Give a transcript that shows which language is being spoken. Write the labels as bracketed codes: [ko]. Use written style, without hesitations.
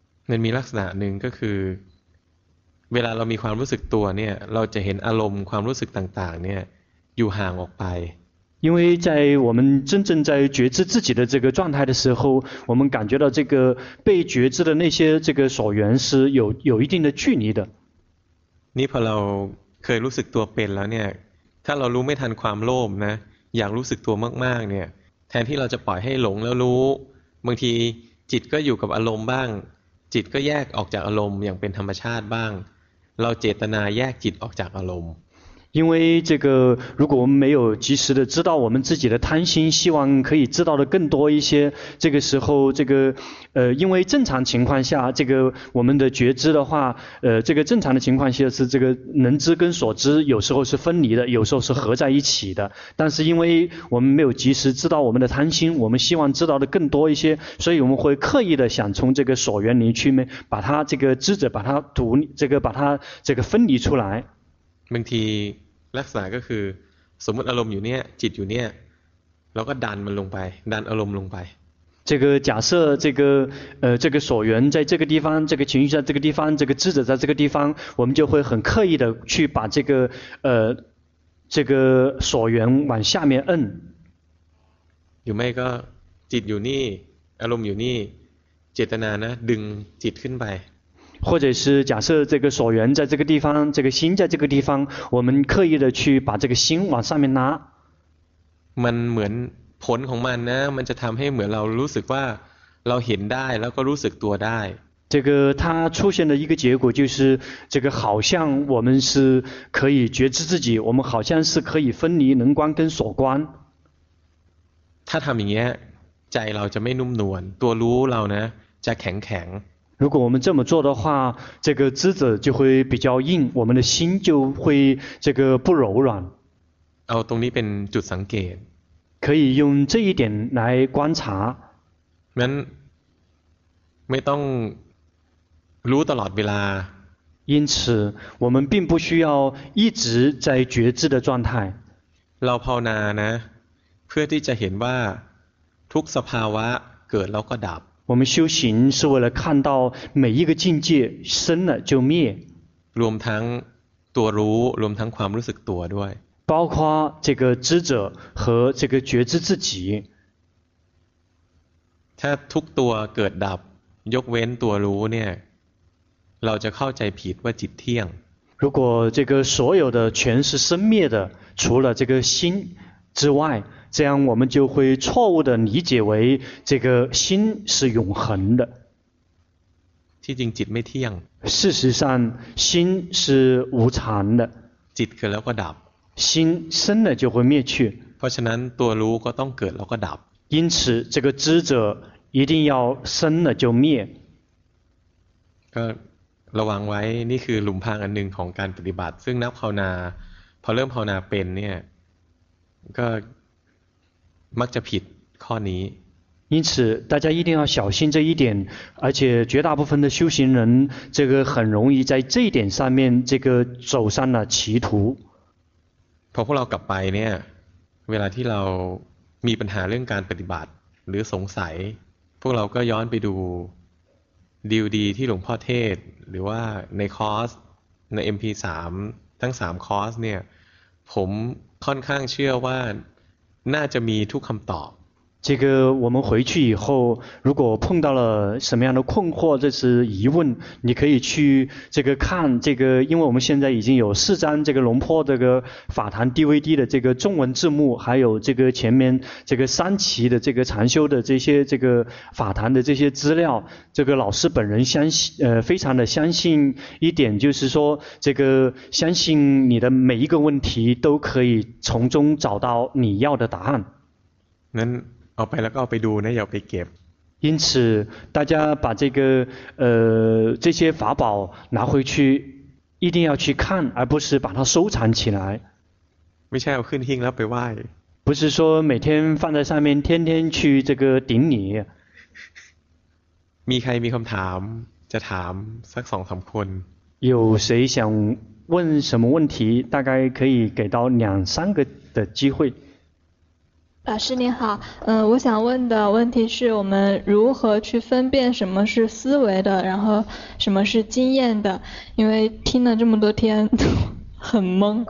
[th] มันมีลักษณะหนึ่งก็คือเวลาเรามีความรู้สึกตัวเนี่ยเราจะเห็นอารมณ์ความรู้สึกต่างๆเนี่ยอยู่ห่างออกไป [zh] 因为在我们真正在觉知自己的这个状态的时候我们感觉到这个被觉知的那些这个所缘是有一定的距离的 [th] นี่พอเราเคยรู้สึกตัวเป็นแล้วเนี่ยถ้าเรารู้ไม่ทันความโลภนะอยากรู้สึกตัวมากๆเนี่ยแทนที่เราจะปล่อยให้หลงแล้วรู้บางทีจิตก็อยู่กับอารมณ์บ้างจิตก็แยกออกจากอารมณ์อย่างเป็นธรรมชาติบ้างเราเจตนาแยกจิตออกจากอารมณ์ [zh] 因为这个如果我们没有及时的知道我们自己的贪心希望可以知道的更多一些这个时候这个因为正常情况下这个我们的觉知的话这个正常的情况下是这个能知跟所知有时候是分离的有时候是合在一起的但是因为我们没有及时知道我们的贪心我们希望知道的更多一些所以我们会刻意的想从这个所缘里去把它这个知者把它独这个把它这个分离出来 [th] บางทีลักษณะก็คือสมมติอารมณ์อยู่เนี่ยจิตอยู่เนี่ยแล้วก็ดันมันลงไปดันอารมณ์ลงไป [zh] 这个假设这个这个所缘在这个地方这个情绪在这个地方这个智者在这个地方我们就会很刻意的去把这个这个所缘往下面摁有没有个 [th] จิตอยู่นี่อารมณ์อยู่นี่เจตนานะดึงจิตขึ้นไป [zh] 或者是假设这个所缘在这个地方这个心在这个地方我们刻意的去把这个心往上面拉 [th] มันเหมือนผลของมันนะมันจะทำให้เหมือนเรารู้สึกว่าเราเห็นได้แล้วก็รู้สึกตัวได้ [zh] 这个它出现的一个结果就是这个好像我们是可以觉知自己我们好像是可以分离能观跟所观 [th] ถ้าทำอย่างเงี้ยใจเราจะไม่นุ่มนวลตัวรู้เรานะจะแข็งแข็ง [zh] 如果我们这么做的话这个知者就会比较硬我们的心就会这个不柔软 [th] เอาตรงนี้เป็นจุดสังเกต [zh] 可以用这一点来观察 [th] งั้นไม่ต้องรู้ตลอดเวลา [zh] 因此我们并不需要一直在觉知的状态 [th] เราภาวนานะเพื่อที่จะเห็นว่าทุกสภาวะเกิดแล้วก็ดับ [zh] 我们修行是为了看到每一个境界生了就灭 [th] รวมทั้งตัวรู้รวมทั้งความรู้สึกตัวด้วย [zh] 包括这个知者和这个觉知自己 [th] ถ้าทุกตัวเกิดดับยกเว้นตัวรู้เนี่ยเราจะเข้าใจผิดว่าจิตเที่ยง [zh] 如果这个所有的全是生灭的除了这个心之外这样我们就会错误的理解为这个心是永恒的 [th] ที่จริงจิตไม่เที่ยง [zh] 事实上心是无常的 [th] จิตเกิดแล้วก็ดับ [zh] 心生了就会灭去 [th] เพราะฉะนั้นตัวรู้ก็ต้องเกิดแล้วก็ดับ [zh] 因此这个知者一定要生了就灭 [th] ก็ระวังไว้นี่คือหลุมพรางอันหนึ่งของการปฏิบัติซึ่งนักภาวนาพอเริ่มภาวนาเป็นเนี่ยก็มักจะผิดข้อนี้ [zh] 因此大家一定要小心这一点而且绝大部分的修行人这个很容易在这一点上面这个走上了歧途 [th] พอพวกเรากลับไปเนี่ยเวลาที่เรามีปัญหาเรื่องการปฏิบัติหรือสงสัยพวกเราก็ย้อนไปดูดีลดีที่หลวงพ่อเทศหรือว่าในคอร์สใน MP3 ทั้ง3คอร์สเนี่ยผมค่อนข้างเชื่อว่าน่าจะมีทุกคำตอบ [zh] 这个我们回去以后如果碰到了什么样的困惑这是疑问你可以去这个看这个因为我们现在已经有四张这个龙坡这个法坛 DVD 的这个中文字幕还有这个前面这个三期的这个禅修的这些这个法坛的这些资料这个老师本人相信非常的相信一点就是说这个相信你的每一个问题都可以从中找到你要的答案 [th] นั้นเอาไปแล้วก็เอาไปดูนะอย่าไปเก็บ [zh] 因此大家把这个这些法宝拿回去一定要去看而不是把它收藏起来 [th] ไม่ใช่เอาขึ้นหิ้งแล้วไปไหว้ [zh] 不是说每天放在上面天天去这个顶礼 [th] มีใครมีคำถามจะถามสักสองสามคน [zh] 有谁想问什么问题大概可以给到两三个的机会老师您好，我想问的问题是我们如何去分辨什么是思维的，然后什么是经验的？因为听了这么多天，很懵。